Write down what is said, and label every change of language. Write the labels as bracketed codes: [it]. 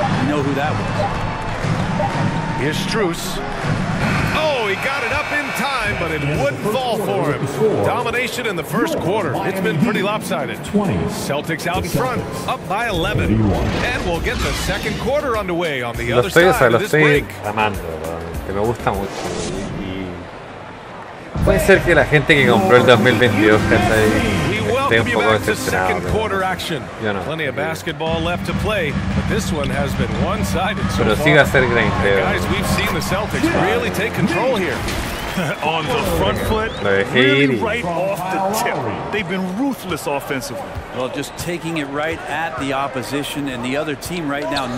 [en] You know who that was. Here's Struce. Oh, he got it up in time, but it wouldn't fall for him. Domination in the first quarter. It's been pretty lopsided. 20. Celtics out in front, up by 11. And we'll get the second quarter underway on the other side of this break. [es] Que me gusta mucho y puede ser que la gente que compró el 2022 ahí, esté un poco decepcionado, yo no. [en] Plenty of basketball left to play, but this one has been one-sided so far. [es] Pero sigue a ser grindeo. [en] Guys, we've seen the Celtics really take control here. On the front foot, really right off the tip. They've been ruthless offensively. Well, just taking it right at the opposition and the other team right now.